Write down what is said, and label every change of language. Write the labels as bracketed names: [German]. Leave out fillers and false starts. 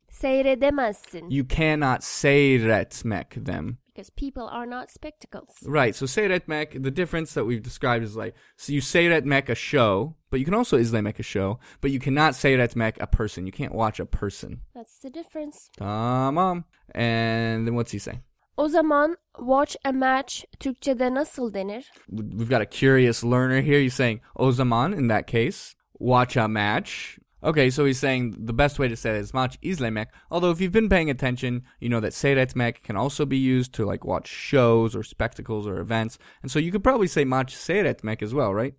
[Turkish] seyredemezsin. [English] You cannot seyretmek them. Because people are not spectacles. Right. So seyretmek, the difference that we've described is like, so you seyretmek a show, but you can also izlemek a show, but you cannot seyretmek a person. You can't watch a person. That's the difference. Tamam. And then what's he say? [Turkish] O zaman [English] watch a match [Turkish] Türkçe'de nasıl denir? [English] We've got a curious learner here. He's saying [Turkish] o zaman [English] in that case, watch a match. Okay, so he's saying the best way to say as much izlemek. Although if you've been paying attention, you know that seyretmek can also be used to like watch shows or spectacles or events. And so you could probably say maç seyretmek as well, right?